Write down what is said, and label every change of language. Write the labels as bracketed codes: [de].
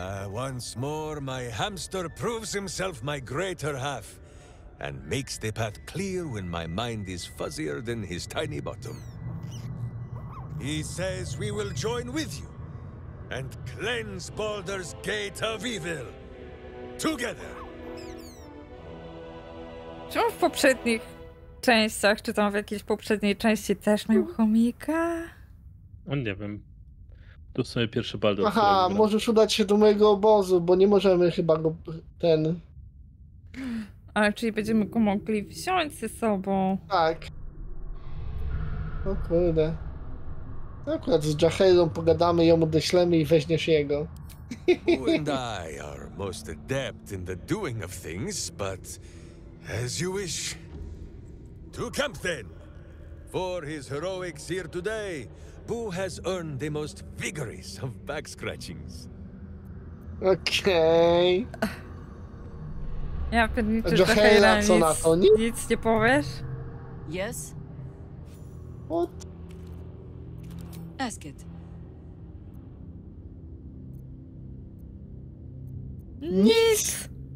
[en] Once more, my hamster proves himself my greater half. And makes the path clear when my mind is fuzzier than his tiny bottom. He says we will join with you and cleanse Baldur's Gate of Evil together. [pl] Czemu w poprzednich częściach, czy tam w jakiejś poprzedniej części też miał chomika? No nie wiem. To sobie pierwszy Baldur. Aha, możesz udać się do mojego obozu, bo nie możemy chyba go ten. Ale czyli będziemy go mogli wziąć ze sobą? Tak. O kurde. Akurat z Jahedą pogadamy, ją odeślemy i weźmiesz jego. [en] Bu and I are most adept in the doing of things, but as you wish. To camp then. For his heroics here today, Bu has earned the most vigorous of back scratchings. [pl] Okej. Ja pewnie czy Jahedra, co na to, nie? Nic nie powiesz? [en] Yes. What? Ask it. [pl] Nic!